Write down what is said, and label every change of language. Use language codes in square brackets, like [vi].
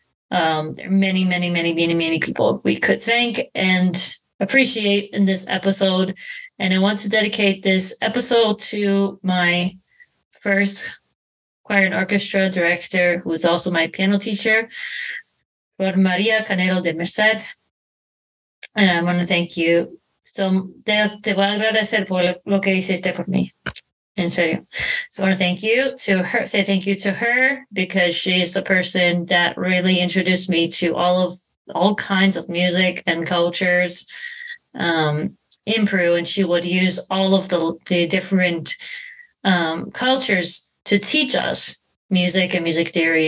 [en] There are many, many, many, many, many people we could thank and appreciate in this episode. And I want to dedicate this episode to my first choir and orchestra director, who is also my piano teacher, Flor Maria Canelo de Merced. And I want to thank you. [es] So te voy a agradecer por lo que hiciste por mí. En serio. [en] So I want to thank you to her, say thank you to her, because she's the person that really introduced me to all kinds of music and cultures in Peru. And she would use all of the different cultures to teach us music and music theory.